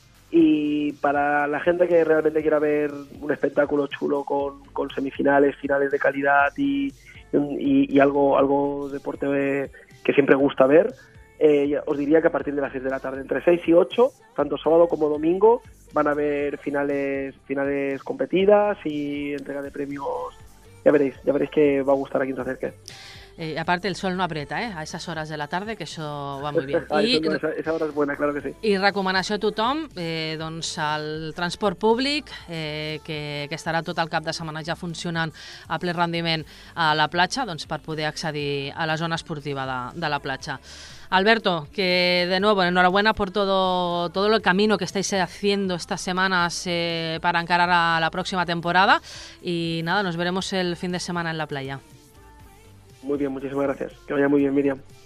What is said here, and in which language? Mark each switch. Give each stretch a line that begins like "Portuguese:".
Spanish: Y para la gente que realmente quiera ver un espectáculo chulo con semifinales, finales de calidad y algo deporte que siempre gusta ver, os diría que a partir de las 6 de la tarde, entre 6 y 8, tanto sábado como domingo, van a haber finales competidas y entrega de premios. Ya veréis que va a gustar a quien se acerque. Aparte, el sol no aprieta,
Catalan: a esas hores de la tarda, que això va molt bé.
Spanish: Esa hora
Catalan: és bona, clar que sí. I recomanació a tothom, doncs al transport públic, que estarà tot el cap de setmana ja funcionant a ple rendiment a la platja, doncs per poder accedir a la zona esportiva de la platja.
Spanish: Alberto, que de nuevo, enhorabuena por todo el camino que estáis haciendo estas semanas para encarar a la próxima temporada. Y nada, nos veremos el fin de semana en la playa. Muy bien, muchísimas gracias. Que vaya muy bien, Miriam.